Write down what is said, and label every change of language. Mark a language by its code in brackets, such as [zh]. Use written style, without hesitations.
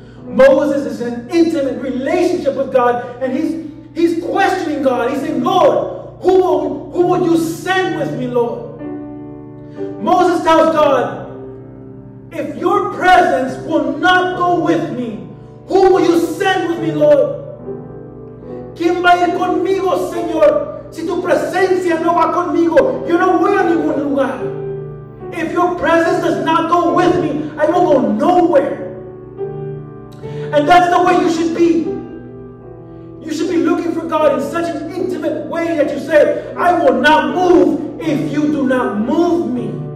[en] Moses is in an intimate relationship with God, and he's questioning God. He's saying, Lord, who would you send with me, Lord? Moses tells God, if your presence will not go with me, who will you send with me, Lord? [es] ¿Quién va a ir conmigo, Señor? Si tu presencia no va conmigo, yo no voy a ningún lugar. [en] If your presence does not go with me, I will go nowhere. And that's the way you should be. You should be looking for God in such an intimate way that you say, I will not move if you do not move me.